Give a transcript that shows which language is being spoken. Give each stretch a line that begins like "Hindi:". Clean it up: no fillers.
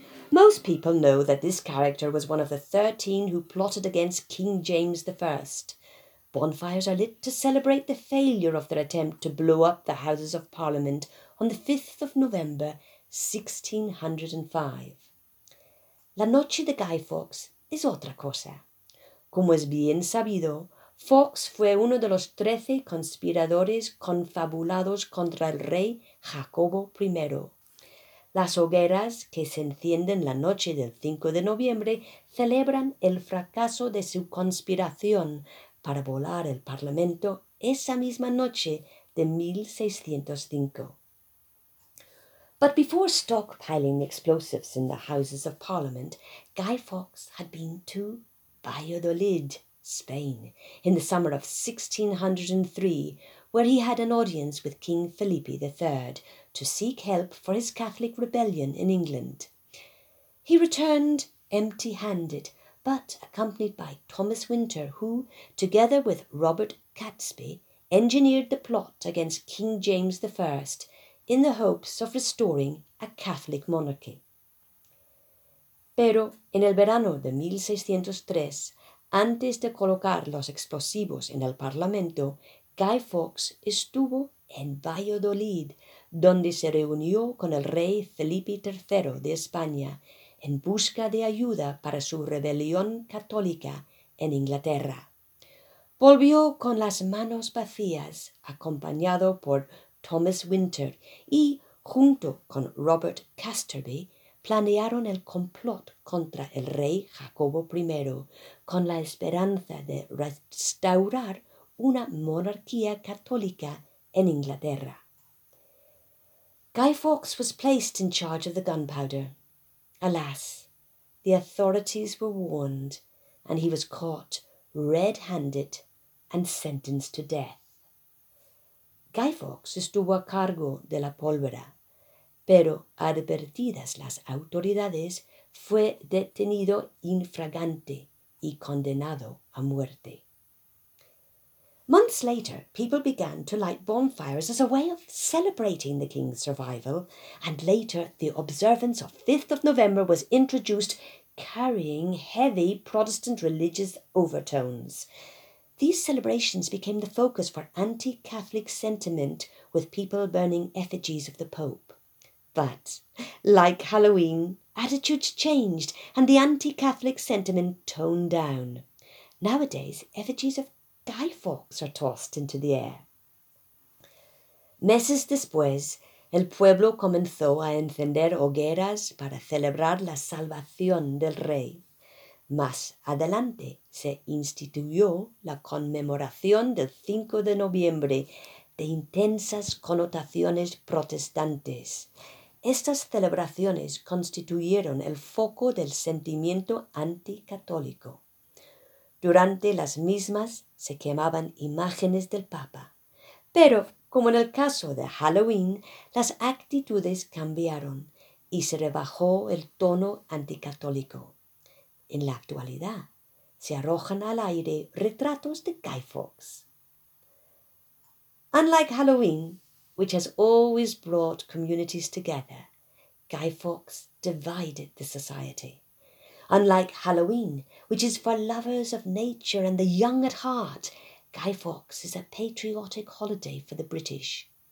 English: Most people know that this character was one of the 13 who plotted against King James I. Bonfires are lit to celebrate the failure of their attempt to blow up the Houses of Parliament on the 5th of November, 1605.
Spanish: La Noche de Guy Fawkes es otra cosa. Como es bien sabido, Fawkes fue uno de los 13 conspiradores confabulados contra el rey Jacobo I. Las hogueras que se encienden la noche del 5 de noviembre celebran el fracaso de su conspiración para volar el Parlamento esa misma noche de 1605.
English: But before stockpiling explosives in the Houses of Parliament, Guy Fawkes had been to Valladolid, Spain, in the summer of 1603, where he had an audience with King Felipe III to seek help for his Catholic rebellion in England. He returned empty-handed, but accompanied by Thomas Winter, who, together with Robert Catesby, engineered the plot against King James I in the hopes of restoring a Catholic monarchy.
Spanish: Pero en el verano de 1603, antes de colocar los explosivos en el Parlamento, Guy Fawkes estuvo en Valladolid, donde se reunió con el rey Felipe III de España en busca de ayuda para su rebelión católica en Inglaterra. Volvió con las manos vacías, acompañado por Thomas Winter, y junto con Robert Casterby, planearon el complot contra el rey Jacobo I con la esperanza de restaurar una monarquía católica en Inglaterra.
English: Guy Fawkes was placed in charge of the gunpowder. Alas, the authorities were warned, and he was caught red-handed and sentenced to death.
Spanish: Guy Fawkes estuvo a cargo de la pólvora, pero advertidas las autoridades, fue detenido in flagrante y condenado a muerte.
English: Months later, people began to light bonfires as a way of celebrating the king's survival, and later the observance of 5th of November was introduced, carrying heavy Protestant religious overtones. These celebrations became the focus for anti-Catholic sentiment, with people burning effigies of the Pope. But, like Halloween, attitudes changed and the anti-Catholic sentiment toned down. Nowadays, effigies of Guy Fawkes are tossed into the air.
Spanish: Meses después, el pueblo comenzó a encender hogueras para celebrar la salvación del rey. Más adelante, se instituyó la conmemoración del 5 de noviembre de intensas connotaciones protestantes. Estas celebraciones constituyeron el foco del sentimiento anticatólico. Durante las mismas se quemaban imágenes del Papa. Pero, como en el caso de Halloween, las actitudes cambiaron y se rebajó el tono anticatólico. En la actualidad, se arrojan al aire retratos de Guy Fawkes.
English: Unlike Halloween, which has always brought communities together, Guy Fawkes divided the society. Unlike Halloween, which is for lovers of nature and the young at heart, Guy Fawkes is a patriotic holiday for the British.